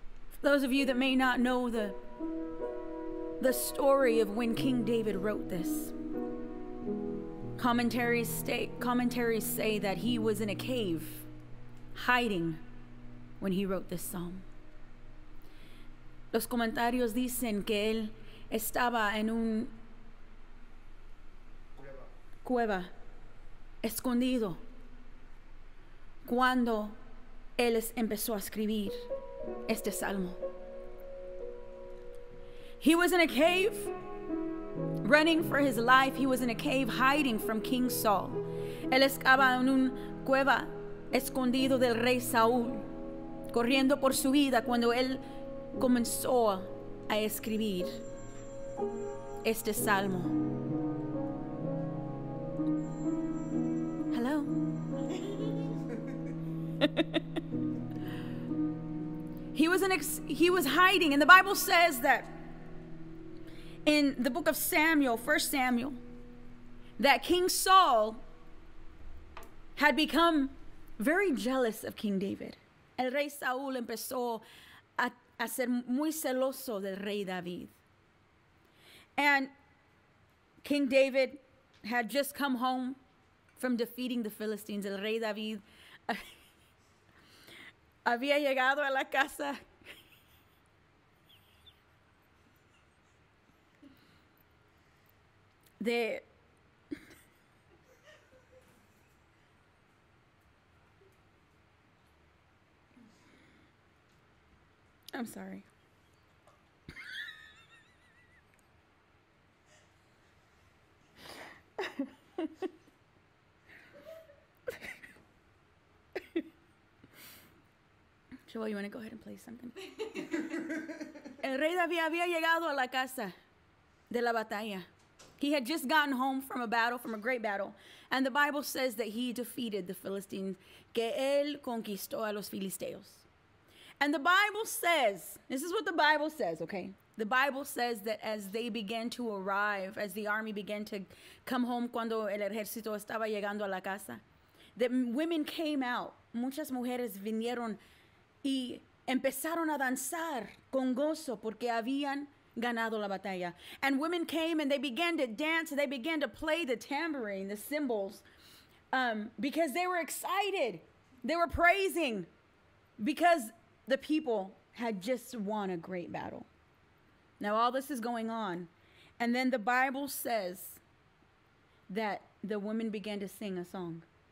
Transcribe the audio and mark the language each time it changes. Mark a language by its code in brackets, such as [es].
[en] For those of you that may not know the story of when King David wrote this, commentaries say that he was in a cave hiding when he wrote this psalm. [es] Los comentarios dicen que él estaba en un cueva, escondido, cuando él empezó a escribir este salmo. [en] He was in a cave, running for his life. He was in a cave, hiding from King Saul. [es] Él estaba en un cueva, escondido del rey Saúl, corriendo por su vida cuando él comenzó a escribir este salmo. [en] Hello. he was hiding, and the Bible says that in the book of Samuel, 1 Samuel, that King Saul had become very jealous of King David. [es] El rey Saúl empezó a ser muy celoso del rey David. [en] And King David had just come home from defeating the Philistines. [es] El rey David había llegado a la casa. [en] I'm sorry. Joel, you want to go ahead and play something? [es] El rey David había llegado a la casa de la batalla. [en] He had just gotten home from a battle, from a great battle. And the Bible says that he defeated the Philistines. [es] Que él conquistó a los filisteos. [en] And the Bible says, this is what the Bible says, okay? The Bible says that as they began to arrive, as the army began to come home [es] cuando el ejército estaba llegando a la casa, [en] that women came out. [es] Muchas mujeres vinieron y empezaron a danzar con gozo porque habían ganado la batalla. [en] And women came and they began to dance, and they began to play the tambourine, the cymbals, because they were excited. They were praising because the people had just won a great battle. Now all this is going on. And then the Bible says that the women began to sing a song.